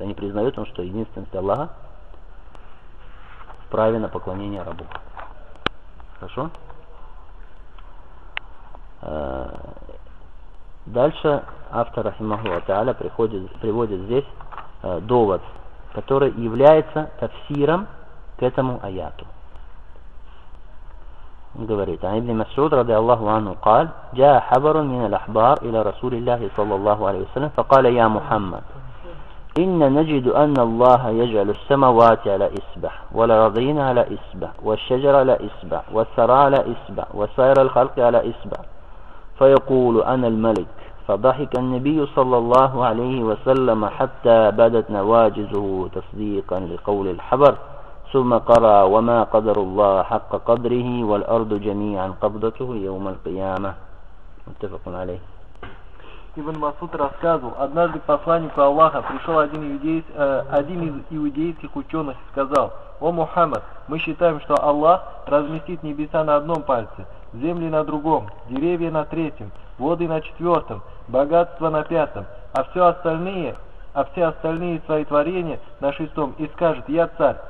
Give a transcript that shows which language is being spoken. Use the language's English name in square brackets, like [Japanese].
[Russian] А не признает он, что единственность Аллаха вправе на поклонение рабу. Хорошо? Дальше автор Рахимахуа Та'аля приводит здесь довод, который является тафсиром к этому аяту. Он говорит, [Arabic] «Ан ибн Масуд, ради Аллаху анху, قال, جاء حبر من الأحبار إلى رسول الله صلى الله عليه وسلم, فقال, يا محمد, إن نجد أن الله يجعل السماوات على إصبع, والأرضين على إصبع, والشجر على إصبع, والثرى على إصبع, وسائر الخلق على إصبع, فيقول أنا الملك, فضحك النبي صلى الله عليه وسلم حتى بدت نواجذه تصديقا لقول الحبر, ثم قرأ, وما قدر الله حق قدره, والأرض جميعا قبضته يوم القيامة. متفق عليه. [Russian] Ибн Масуд рассказывал, однажды к посланнику Аллаха пришел один из иудейских ученых и сказал, «О Мухаммад, мы считаем, что Аллах разместит небеса на одном пальце, земли на другом, деревья на третьем, воды на четвертом, богатство на пятом, а все остальные свои творения на шестом, и скажет, я царь».